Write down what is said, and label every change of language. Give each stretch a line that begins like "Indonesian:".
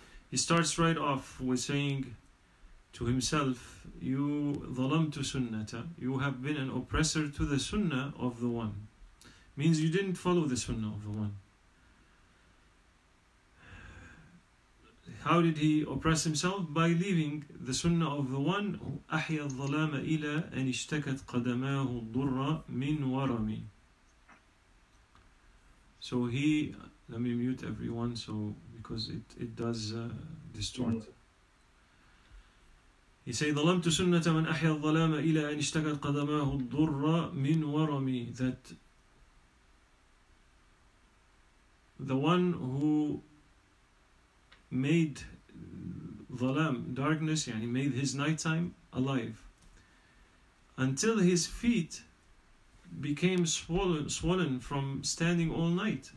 English: He starts right off with saying to himself, "You
Arabic: zalamtu sunnata,
English: you have been an oppressor to the sunnah of the one." Means you didn't follow the sunnah of the one. How did he oppress himself? By leaving the sunnah of the one,
Arabic: أَحْيَ الظَّلَامَ إِلَىٰ أَنْ اِشْتَكَتْ قَدَمَاهُ الضُّرَّ مِنْ وَرَمِي.
English: So he, let me mute everyone, so because it does distort. He say,
Arabic: ظَلَمْتُ سُنَّةَ مَنْ أَحْيَ الظَّلَامَ إِلَىٰ أَنْ اِشْتَكَتْ قَدَمَاهُ الضُّرَّ مِنْ وَرَمِي.
English: That the one who made dhalam, darkness, yani made his nighttime alive, until his feet became swollen from standing all night.